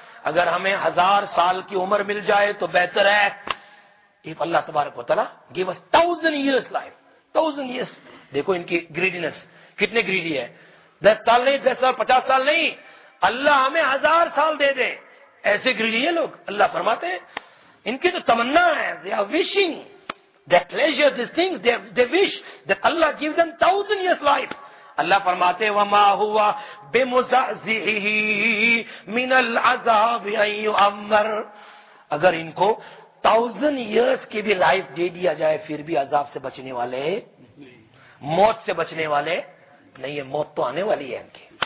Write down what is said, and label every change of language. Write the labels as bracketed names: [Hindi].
[Urdu] اگر ہمیں 1000 سال کی عمر مل جائے تو بہتر ہے. [English] If اللہ تبارک و تعالیٰ give us 1000 years life, 1000 years. [Urdu] دیکھو ان کی گریڈینس کتنے گریڈی ہے. 10 سال نہیں, 10 سال, 50 سال نہیں, اللہ ہمیں 1000 سال دے دے, ایسے گریڈی ہیں لوگ. اللہ فرماتے ہیں ان کی تو تمنا ہے, [English] They are wishing the pleasure this thing, they wish that اللہ give them 1000 years life. [Urdu] اللہ فرماتے [Arabic] وما ہوا بے مزعزعہ من العذاب ان یؤمر, [Urdu] اگر ان کو 1000 years کی بھی لائف دے دیا جائے پھر بھی عذاب سے بچنے والے, موت سے بچنے والے نہیں ہے, موت تو آنے والی ہے ان کی.